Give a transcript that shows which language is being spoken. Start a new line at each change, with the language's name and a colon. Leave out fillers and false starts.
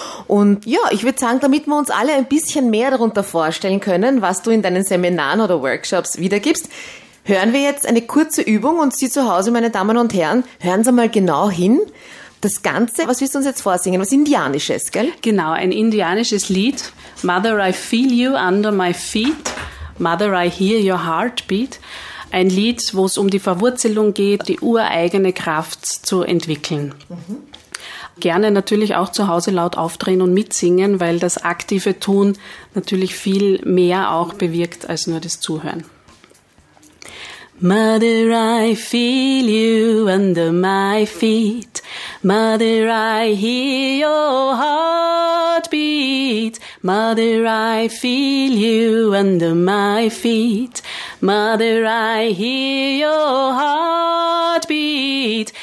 German: Und ja, ich würde sagen, damit wir uns alle ein bisschen mehr darunter vorstellen können, was du in deinen Seminaren oder Workshops wiedergibst, hören wir jetzt eine kurze Übung und Sie zu Hause, meine Damen und Herren, hören Sie mal genau hin. Das Ganze, was willst du uns jetzt vorsingen? Was Indianisches, gell? Genau, ein indianisches Lied.
English: Mother, I feel you under my feet. Mother, I hear your heartbeat.
German: Ein Lied, wo es um die Verwurzelung geht, die ureigene Kraft zu entwickeln. Gerne natürlich auch zu Hause laut aufdrehen und mitsingen, weil das aktive Tun natürlich viel mehr auch bewirkt als nur das Zuhören.
English: Mother, I feel you under my feet. Mother, I hear your heartbeat. Mother, I feel you under my feet. Mother, I hear your heartbeat.